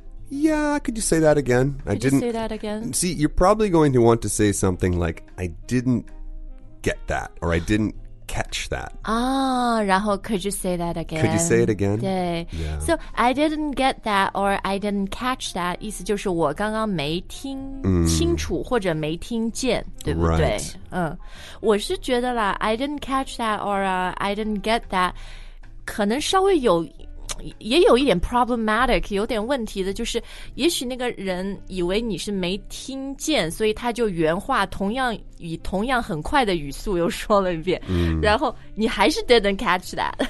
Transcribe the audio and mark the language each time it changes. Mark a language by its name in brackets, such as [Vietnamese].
[English] Yeah, could you say that again? See, you're probably going to want to say something like, I didn't get that, or I didn't catch that. [Chinese] 然后 [English] could you say that again? Could you say it again? [Chinese] 对、 [English] yeah. So, I didn't get that or I didn't catch that. [Chinese] 意思就是我刚刚没听清楚或者没听见、对不对、 [English] right. [Chinese] 我是觉得啦 [English] I didn't catch that or I didn't get that. [Chinese] 可能稍微有也有一点 problematic 有点问题的就是也许那个人以为你是没听见所以他就原话同样以同样很快的语速又说了一遍、然后你还是 [English] didn't catch that